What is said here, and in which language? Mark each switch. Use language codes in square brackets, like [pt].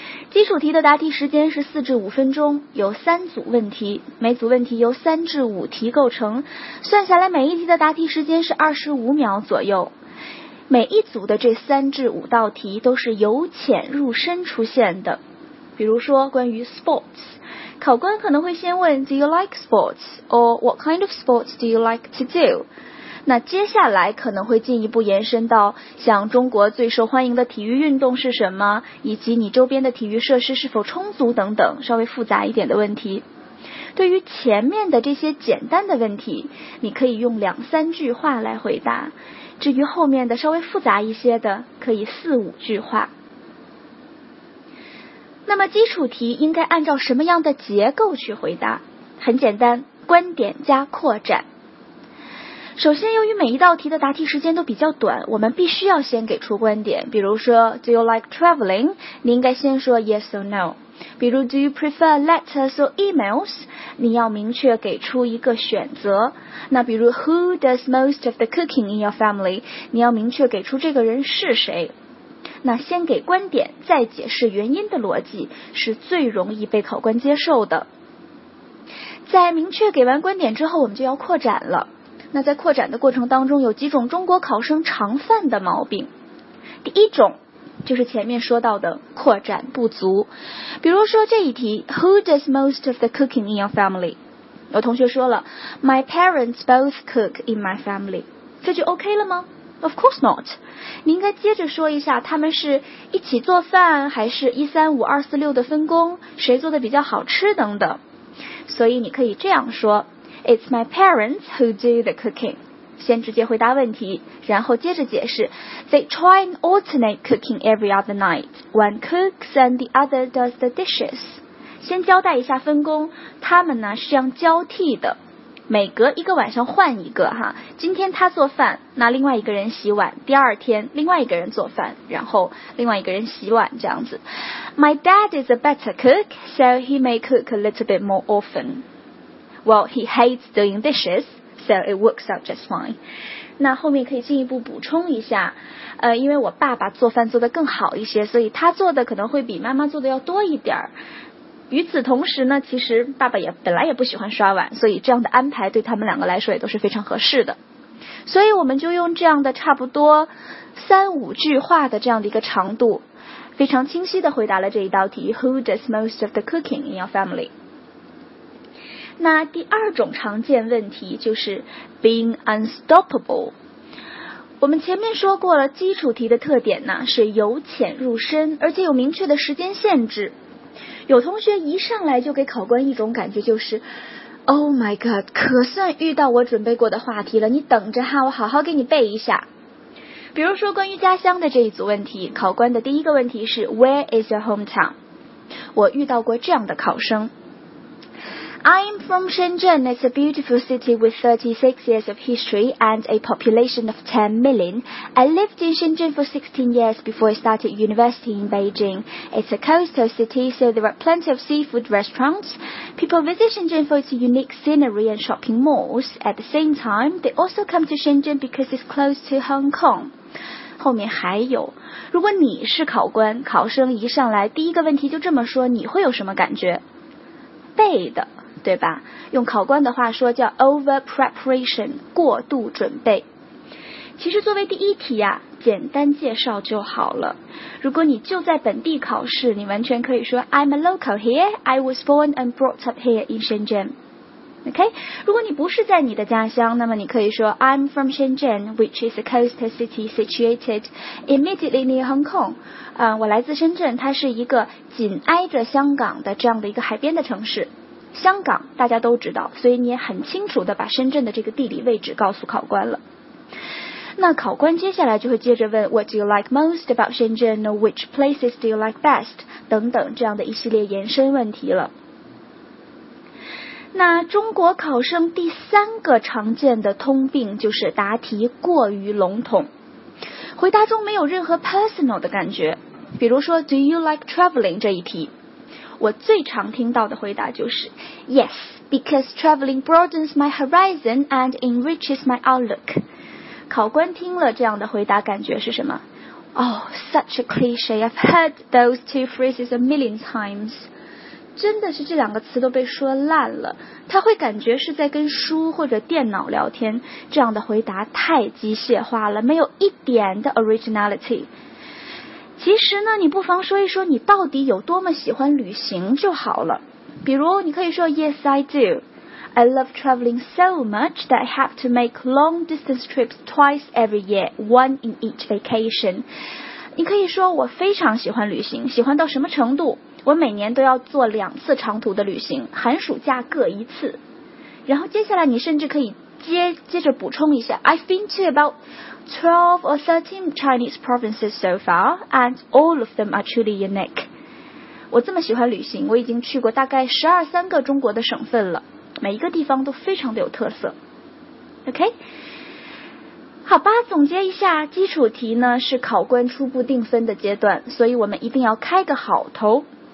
[zh] 基础题的答题时间是4至5分钟，有三组问题，每组问题由3至5题构成，算下来每一题的答题时间是25秒左右。每一组的这3至5道题都是由浅入深出现的。比如说关于 sports， 考官可能会先问 [en] Do you like sports? Or what kind of sports do you like to do? [zh] 那接下来可能会进一步延伸到像中国最受欢迎的体育运动是什么，以及你周边的体育设施是否充足等等稍微复杂一点的问题。对于前面的这些简单的问题，你可以用2-3句话来回答，至于后面的稍微复杂一些的，可以4-5句话。那么基础题应该按照什么样的结构去回答？很简单，观点加扩展。首先，由于每一道题的答题时间都比较短，我们必须要先给出观点。比如说 [en] Do you like traveling? [zh] 你应该先说 [en] yes or no。 [zh] 比如 [en] Do you prefer letters or emails? [zh] 你要明确给出一个选择。那比如 [en] Who does most of the cooking in your family? [zh] 你要明确给出这个人是谁。那先给观点再解释原因的逻辑是最容易被考官接受的。在明确给完观点之后，我们就要扩展了。那在扩展的过程当中，有几种中国考生常犯的毛病。第一种就是前面说到的扩展不足。比如说这一题， [en] Who does most of the cooking in your family? [zh] 有同学说了， [en] My parents both cook in my family。 [zh] 这就 OK 了吗？ [en] Of course not. [zh] 你应该接着说一下，他们是一起做饭，还是1-3-5-2-4-6的分工，谁做的比较好吃等等。所以你可以这样说， [en] It's my parents who do the cooking. [zh] 先直接回答问题，然后接着解释， [en] They try and alternate cooking every other night. One cooks and the other does the dishes. [zh] 先交代一下分工，他们呢是这样交替的，每隔一个晚上换一个哈，今天他做饭，那另外一个人洗碗，第二天另外一个人做饭，然后另外一个人洗碗，这样子。 [en] My dad is a better cook, so he may cook a little bit more often. Well, he hates doing dishes, so it works out just fine. [zh] 那后面可以进一步补充一下，因为我爸爸做饭做得更好一些，所以他做的可能会比妈妈做的要多一点儿。与此同时呢，其实爸爸也本来也不喜欢刷碗，所以这样的安排对他们两个来说也都是非常合适的。所以我们就用这样的差不多3-5句话的这样的一个长度，非常清晰地回答了这一道题， [en] Who does most of the cooking in your family? [zh] 那第二种常见问题就是 [en] being unstoppable。 [zh] 我们前面说过了，基础题的特点呢是由浅入深，而且有明确的时间限制。有同学一上来就给考官一种感觉，就是 [en] Oh my god， [zh] 可算遇到我准备过的话题了，你等着哈，我好好给你背一下。比如说关于家乡的这一组问题，考官的第一个问题是 [en] Where is your hometown？ [zh] 我遇到过这样的考生， [en] I'm from Shenzhen. It's a beautiful city with 36 years of history and a population of 10 million. I lived in Shenzhen for 16 years before I started university in Beijing. It's a coastal city, so there are plenty of seafood restaurants. People visit Shenzhen for its unique scenery and shopping malls. At the same time, they also come to Shenzhen because it's close to Hong Kong. [zh] 后面还有，如果你是考官，考生一上来第一个问题就这么说，你会有什么感觉？背的，对吧？用考官的话说叫 [en] over preparation， [zh] 过度准备。其实作为第一题呀，简单介绍就好了。如果你就在本地考试，你完全可以说 [en] I'm a local here. I was born and brought up here in Shenzhen. OK， [zh] 如果你不是在你的家乡，那么你可以说 [en] I'm from Shenzhen, which is a coastal city situated immediately near Hong Kong. [zh] 我来自深圳，它是一个紧挨着香港的这样的一个海边的城市。香港大家都知道，所以你也很清楚的把深圳的这个地理位置告诉考官了。那考官接下来就会接着问 [en] What do you like most about Shenzhen? Or which places do you like best? [zh] 等等这样的一系列延伸问题了。那中国考生第三个常见的通病就是答题过于笼统，回答中没有任何 personal 的感觉。比如说 [en] Do you like traveling [zh] 这一题，我最常听到的回答就是 [en] Yes, because traveling broadens my horizon and enriches my outlook。 [zh] 考官听了这样的回答感觉是什么？ [en] Oh, such a cliche, I've heard those two phrases a million times。 [zh] 真的是这两个词都被说烂了，他会感觉是在跟书或者电脑聊天，这样的回答太机械化了，没有一点的 originality。其实呢，你不妨说一说你到底有多么喜欢旅行就好了。比如你可以说 [en] Yes, I do. I love traveling so much that I have to make long distance trips twice every year, one in each vacation. [zh] 你可以说我非常喜欢旅行，喜欢到什么程度，我每年都要做两次长途的旅行，寒暑假各一次。然后接下来你甚至可以接着补充一下 [en] I've been to about 12 or 13 Chinese provinces so far and all of them are truly unique. [zh] 我这么喜欢旅行，我已经去过大概12-13个中国的省份了，每一个地方都非常的有特色。 OK，好吧，总结一下，基础题呢是考官初步定分的阶段，所以我们一定要开个好头。